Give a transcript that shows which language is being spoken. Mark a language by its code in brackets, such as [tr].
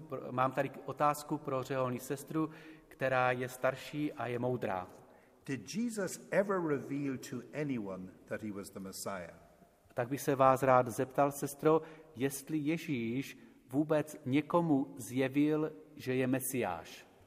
[cs] Mám tady otázku pro řeholní sestru, která je starší a je moudrá. [en] Did Jesus ever reveal to anyone that he was the Messiah? [cs] Tak bych se vás rád zeptal, sestro, jestli Ježíš vůbec někomu zjevil, že je Mesiáš.